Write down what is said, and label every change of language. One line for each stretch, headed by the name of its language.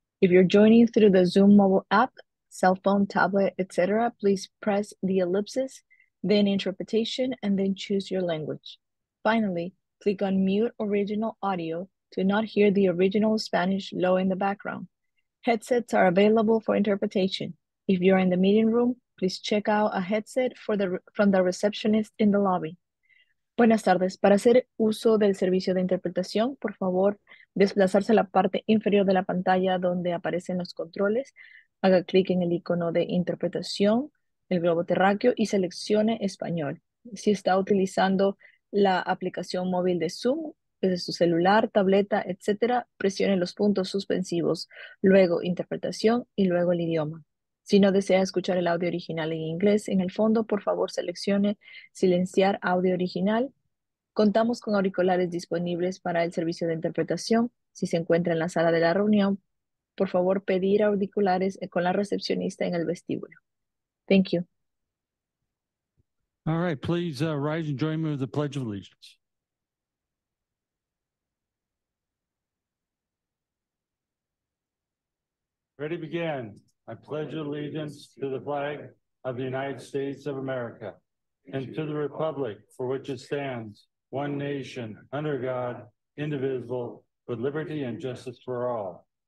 English: If you're joining through the Zoom mobile app, cell phone, tablet, etc., please press the ellipsis, then interpretation, and then choose your language. Finally, click on mute original audio to not hear the original Spanish low in the background. Headsets are available for interpretation. If you're in the meeting room, please check out a headset from the receptionist in the lobby.
Spanish: Buenas tardes. Para hacer uso del servicio de interpretación, por favor, desplazarse a la parte inferior de la pantalla donde aparecen los controles. Haga clic en el icono de interpretación, el globo terráqueo, y seleccione español. Si está utilizando la aplicación móvil de Zoom, desde su celular, tableta, etc., presione los puntos suspensivos, luego interpretación y luego el idioma. Si no desea escuchar el audio original en inglés, en el fondo, por favor, seleccione silenciar audio original. Contamos con auriculares disponibles para el servicio de interpretación. Si se encuentra en la sala de la reunión, por favor, pedir auriculares con la recepcionista en el vestíbulo.
English: Thank you. All right, please rise and join me with the Pledge of Allegiance. Ready to begin. I pledge allegiance to the flag of the United States of America and to the Republic for which it stands, one nation, under God, indivisible, with liberty and justice for all.